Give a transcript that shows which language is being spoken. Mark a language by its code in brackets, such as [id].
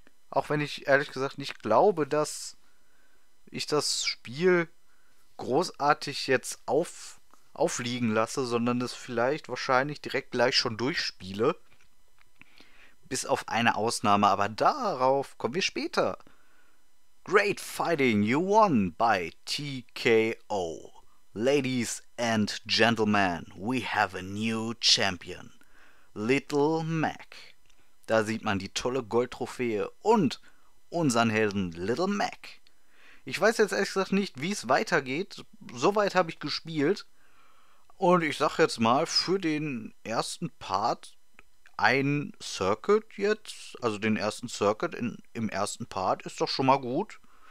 [de] Auch wenn ich ehrlich gesagt nicht glaube, dass ich das Spiel großartig jetzt aufliegen lasse, sondern es vielleicht wahrscheinlich direkt gleich schon durchspiele. Bis auf eine Ausnahme, aber darauf kommen wir später. [en] Great Fighting, you won by TKO. Ladies and Gentlemen, we have a new champion. Little Mac. [de] Da sieht man die tolle Goldtrophäe und unseren Helden Little Mac. Ich weiß jetzt ehrlich gesagt nicht, wie es weitergeht. Soweit habe ich gespielt. Und ich sag jetzt mal, für den ersten Part ein Circuit jetzt, also den ersten Circuit im ersten Part, ist doch schon mal gut.